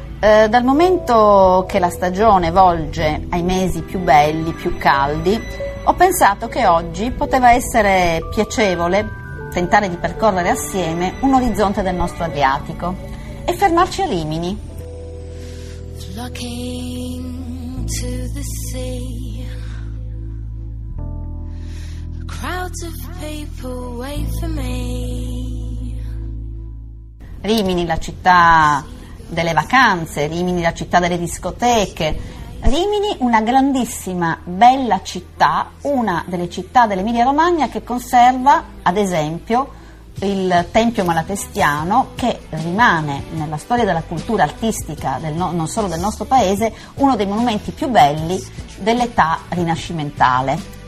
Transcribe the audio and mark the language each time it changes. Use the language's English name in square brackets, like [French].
[Italian] Dal momento che la stagione volge ai mesi più belli, più caldi, ho pensato che oggi poteva essere piacevole tentare di percorrere assieme un orizzonte del nostro Adriatico e fermarci a Rimini. [English] Flocking to the sea, crowds of people wait for me. [Italian] Rimini, la città delle vacanze, Rimini, la città delle discoteche. Rimini, una grandissima, bella città, una delle città dell'Emilia Romagna che conserva, ad esempio, il Tempio Malatestiano, che rimane nella storia della cultura artistica, non solo del nostro paese, uno dei monumenti più belli dell'età rinascimentale.